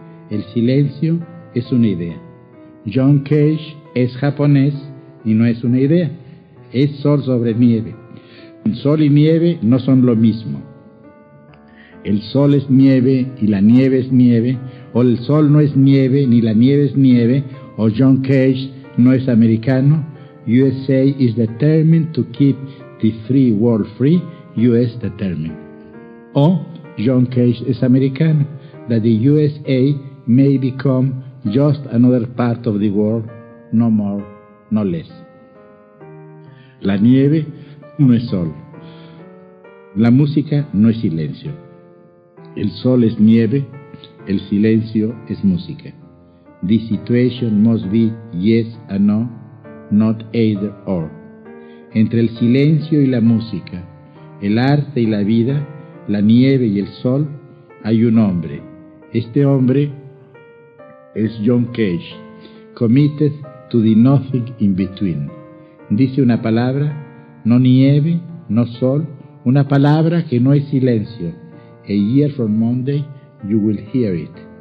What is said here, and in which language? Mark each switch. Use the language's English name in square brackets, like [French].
[Spanish] El silencio es una idea. John Cage es japonés y no es una idea. Es sol sobre nieve. Sol y nieve no son lo mismo. El sol es nieve y la nieve es nieve. O el sol no es nieve ni la nieve es nieve. O John Cage no es americano. [English] USA is determined to keep the free world free. US determined. [Spanish] O John Cage es americano. [English] That the USA may become just another part of the world, no more, no less. [Spanish] La nieve no es sol. La música no es silencio. El sol es nieve, el silencio es música. [English] The situation must be yes and no, not either or. [Spanish] Entre el silencio y la música, el arte y la vida, la nieve y el sol, hay un hombre. Este hombre es John Cage, [English] committed to the nothing in between. [Spanish] Dice una palabra, no nieve, no sol, una palabra que no es silencio. [English] A year from Monday, you will hear it.